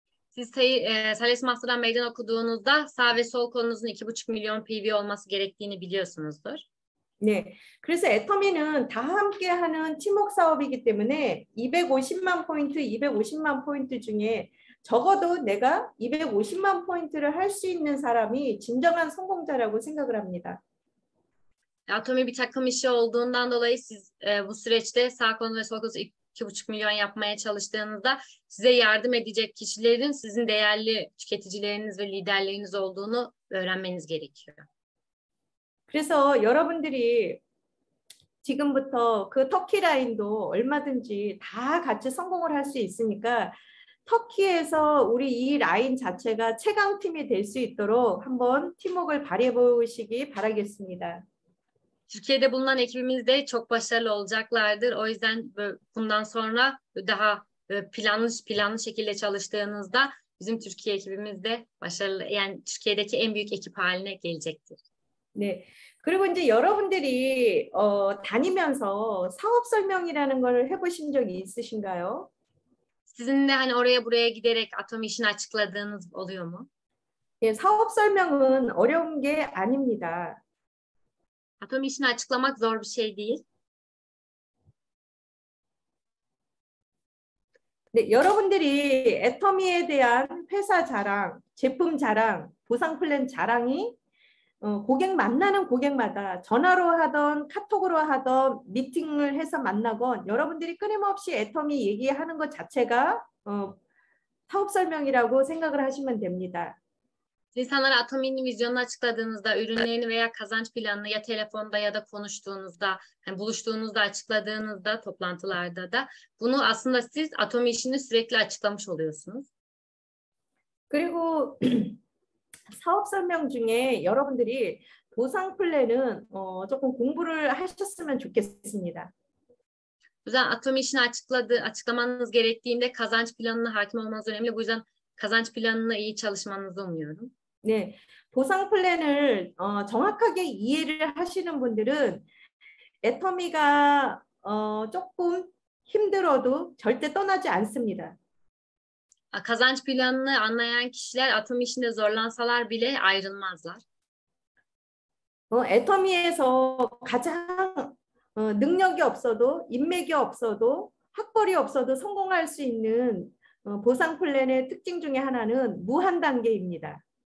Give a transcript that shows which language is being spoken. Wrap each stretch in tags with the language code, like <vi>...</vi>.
<tr>Siz Sales Master'dan meydan okuduğunuzda sağ ve sol kolunuzun 2,5 milyon PV olması gerektiğini biliyorsunuzdur.</tr> <ko>네. 그래서 애터미는 다 함께 하는 팀워크 사업이기 때문에 250만 포인트 중에 적어도 내가 250만 포인트를 할 수 있는 사람이 진정한 성공자라고 생각을 합니다.</ko> <tr>Atomi bir takım işi olduğundan dolayı siz bu süreçte sağ kolunuz ve sol kolunuz 2,5 milyon yapmaya çalıştığınızda size yardım edecek kişilerin sizin değerli tüketicileriniz ve liderleriniz olduğunu öğrenmeniz gerekiyor.</tr> <ko>그래서 여러분들이 지금부터 그 터키 라인도 얼마든지 다 같이 성공을 할 수 있으니까 터키에서 우리 이 라인 자체가 최강팀이 될 수 있도록 한번 팀워크를 발휘해 보시기 바라겠습니다.</ko> <tr>Türkiye'de bulunan ekibimiz de çok başarılı olacaklardır. O yüzden bundan sonra daha planlı şekilde çalıştığınızda bizim Türkiye ekibimiz de başarılı, yani Türkiye'deki en büyük ekip haline gelecektir.</tr> <ko>네. 그리고 이제 여러분들이 다니면서 사업 설명이라는 걸 해보신 적이 있으신가요?</ko> <tr>Sizin de hani oraya buraya giderek atom işini açıkladığınız oluyor mu? Yani</tr> <ko>사업 설명은 어려운 게 아닙니다.</ko> <tr>Atom işini açıklamak zor bir şey değil.</tr> <ko>네, 여러분들이 애터미에 대한 회사 자랑, 제품 자랑, 보상 플랜 자랑이 고객 만나는 고객마다 전화로 하던 카톡으로 하던 미팅을 해서 만나건 여러분들이 끊임없이 애터미 얘기하는 것 자체가 사업 설명이라고 생각을 하시면 됩니다.</ko> <tr>İnsanlara Atomi'nin vizyonunu açıkladığınızda, ürünlerini veya kazanç planını ya telefonda ya da konuştuğunuzda, yani buluştuğunuzda, açıkladığınızda, toplantılarda da bunu aslında siz Atomi işini sürekli açıklamış oluyorsunuz.</tr> <ko>그리고 사업 설명 중에 여러분들이 보상 플랜은 조금 공부를 하셨으면 좋겠습니다.</ko> <tr>O yüzden Atomi işini açıklamanız gerektiğinde kazanç planına hakim olmanız önemli. Bu yüzden kazanç planını iyi çalışmanızı umuyorum.</tr> <ko>네, 보상 플랜을 정확하게 이해를 하시는 분들은 애터미가 조금 힘들어도 절대 떠나지 않습니다.</ko> <tr>Kazanç planını anlayan kişiler atom işinde zorlansalar bile ayrılmazlar.</tr> <ko>애터미에서 가장 능력이 없어도, 인맥이 없어도, 학벌이 없어도 성공할 수 있는 보상 플랜의 특징 중에 하나는 무한 단계입니다.</ko>